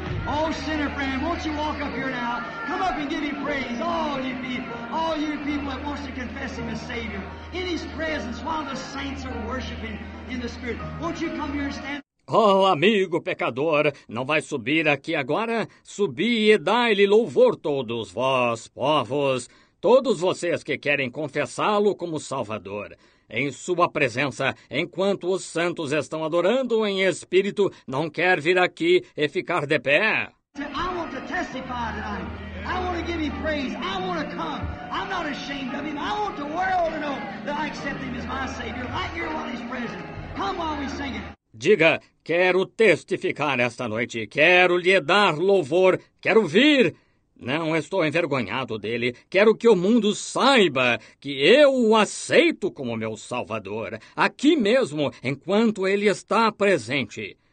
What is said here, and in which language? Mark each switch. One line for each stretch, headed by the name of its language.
English: Oh, sinner friend, won't you walk up here now? Come up and give him praise. All you people that wants to confess him as Savior. In his presence, while the saints are worshiping in the Spirit. Won't you come here and stand?
Portuguese: Oh, amigo pecador, não vai subir aqui agora? Subi e dai-lhe louvor todos vós, povos. Todos vocês que querem confessá-lo como Salvador. Em sua presença, enquanto os santos estão adorando em espírito, não quer vir aqui e ficar de pé?
English: I want to testify tonight. I want to give him praise. I want to come. I'm not ashamed of him. I want the world to know that I accept him as my Savior. Right here while he's present. Come while we sing it.
Portuguese: Diga, quero testificar esta noite. Quero lhe dar louvor. Quero vir. Não estou envergonhado dele. Quero que o mundo saiba que eu o aceito como meu Salvador, aqui mesmo, enquanto ele está presente.